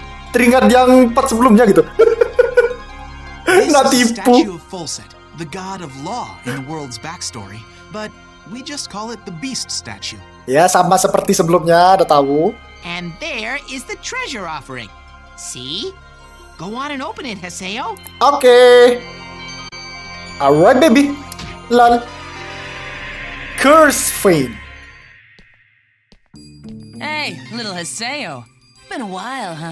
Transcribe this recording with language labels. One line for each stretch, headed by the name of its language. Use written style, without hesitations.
Indonesian: Teringat yang 4 sebelumnya gitu. Nanti tipu.
English: Statue of Fulset, the god of law in the world's backstory, but we just call it the beast statue.
Indonesian: Ya, sama seperti sebelumnya, udah tahu.
English: And there is the treasure offering. See? Go on and open it, Haseo. Okay. Alright baby. Lol. Curse Fiend. Hey, little Haseo. Been a while, huh?